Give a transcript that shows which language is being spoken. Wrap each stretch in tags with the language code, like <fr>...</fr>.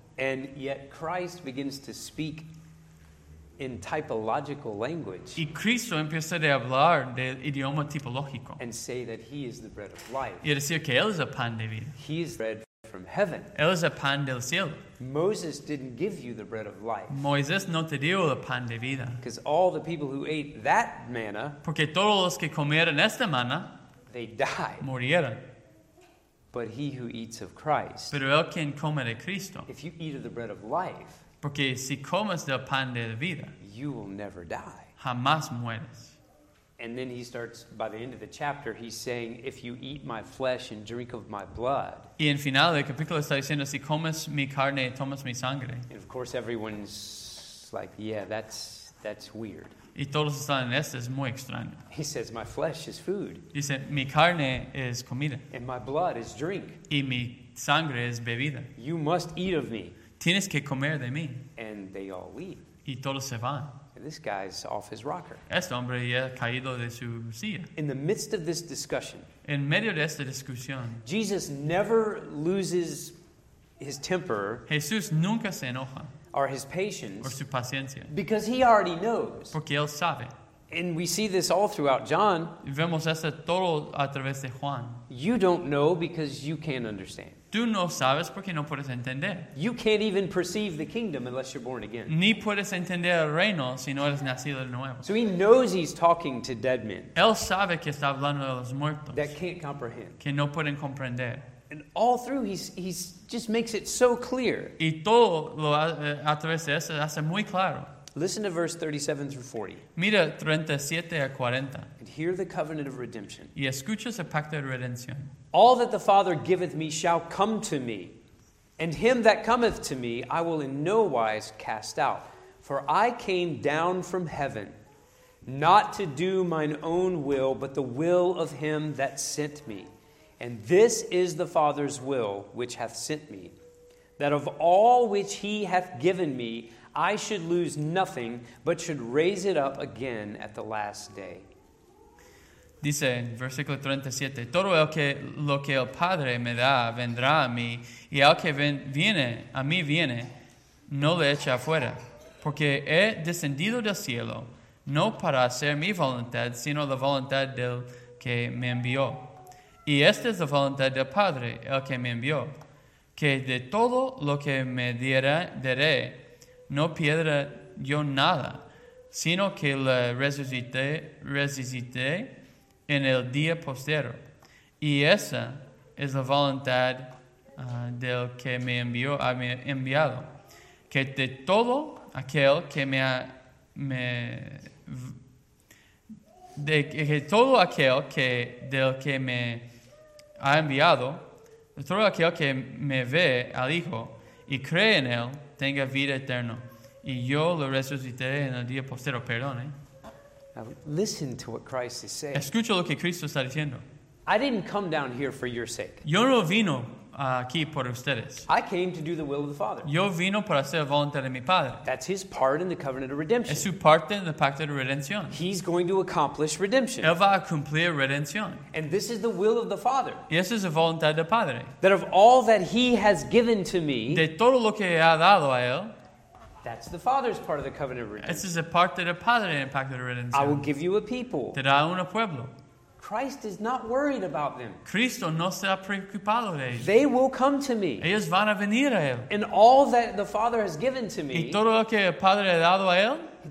<en>And yet Christ begins to speak in typological language.</en> <es>Y Cristo empieza a hablar del idioma tipológico.</es> <en>And say that he is the bread of life.</en> <es>Y decir que él es el pan de vida.</es> <en>He is bread from heaven.</en> <es>Él es el pan del cielo.</es> <en>Moses didn't give you the bread of life.</en> <es>Moisés no te dio el pan de vida.</es> <en>Because all the people who ate that manna.</en> <es>Porque todos los que comieron esta manna.</es> <en>They died.</en> <es>Murieron.</es> <en>But he who eats of Christ.</en> <es>Pero él quien come de Cristo.</es> <en>If you eat of the bread of life.</en> <es>Porque si comes del pan de la vida.</es> <en>You will never die.</en> <es>Jamás mueres.</es> <en>And then he starts, by the end of the chapter, he's saying, if you eat my flesh and drink of my blood.</en> <es>Y en final del capítulo está diciendo, si comes mi carne y tomas mi sangre.</es> <en>And of course everyone's like, yeah, that's weird.</en> <es>Y todos están en esto, es muy extraño.</es> <en>He says, my flesh is food.</en> <es>Dice, mi carne es comida.</es> <en>And my blood is drink.</en> <es>Y mi sangre es bebida.</es> <en>You must eat of me.</en> <es>Tienes que comer de mí.</es> <en>And they all leave.</en> <es>Y todos se van.</es> <en>And this guy's off his rocker.</en> <es>Este hombre ya ha caído de su silla.</es> <en>In the midst of this discussion.</en> <es>En medio de esta discusión.</es> <en>Jesus never loses his temper.</en> <es>Jesús nunca se enoja.</es> <en>Or his patience. Or</en> <es>su paciencia.</es> <en>Because he already knows.</en> <es>Porque él sabe.</es> <en>And we see this all throughout John.</en> <es>Vemos esto todo a través de Juan.</es> <en>You don't know because you can't understand.</en> <es>Tú no sabes porque no puedes entender.</es> <en>You can't even perceive the kingdom unless you're born again.</en> <es>Ni puedes entender el reino si no eres nacido de nuevo.</es> <en>So he knows he's talking to dead men.</en> <es>Él sabe que está hablando de los muertos.</es> <en>That can't comprehend.</en> <es>Que no pueden comprender.</es> <en>And all through he's just makes it so clear.</en> <es>Y todo lo a través de eso hace muy claro.</es> <en>Listen to verse 37 through 40.</en> <es>Mira 37 a 40.</es> <en>And hear the covenant of redemption.</en> <es>Y escuchas el pacto de redención.</es> <en>All that the Father giveth me shall come to me, and him that cometh to me I will in no wise cast out. For I came down from heaven, not to do mine own will, but the will of him that sent me. And this is the Father's will which hath sent me, that of all which he hath given me, I should lose nothing, but should raise it up again at the last day.</en> <es>Dice en versículo 37, todo el que, lo que el Padre me da vendrá a mí, y el que viene a mí viene, no le echa afuera. Porque he descendido del cielo, no para hacer mi voluntad, sino la voluntad del que me envió. Y esta es la voluntad del Padre, el que me envió, que de todo lo que me diera, daré, no pierda yo nada, sino que la resucite en el día postero. Y esa es la voluntad del que me envió, ha enviado. Que de todo aquel que me ve al Hijo y cree en él, tenga vida eterna. Y yo lo resucité en el día postero. Perdón,</es> <en>Now listen to what Christ is saying.</en> <es>Escucha lo que Cristo está diciendo.</es> <en>I didn't come down here for your sake.</en> <es>Yo no vino aquí por ustedes.</es> <en>I came to do the will of the Father.</en> <es>Yo vino para hacer la voluntad de mi Padre.</es> <en>That's his part in the covenant of redemption.</en> <es>Es su parte en el pacto de redención.</es> <en>He's going to accomplish redemption.</en> <es>Él va a cumplir redención.</es> <en>And this is the will of the Father.</en> <es>Y esa es la voluntad del Padre.</es> <en>That of all that he has given to me.</en> <es>De todo lo que ha dado a él.</es> <en>That's the Father's part of the covenant of redemption. This is a part that the Father and part of the redemption. I will give you a people.</en> <es>Te da un pueblo.</es> <en>Christ is not worried about them.</en> <es>Cristo no se ha preocupado de ellos.</es> <en>They will come to me.</en> <es>Ellos van a venir a él.</es> <en>And all that the Father has given to me.</en> <es>Y todo lo que el Padre ha dado a él.</es>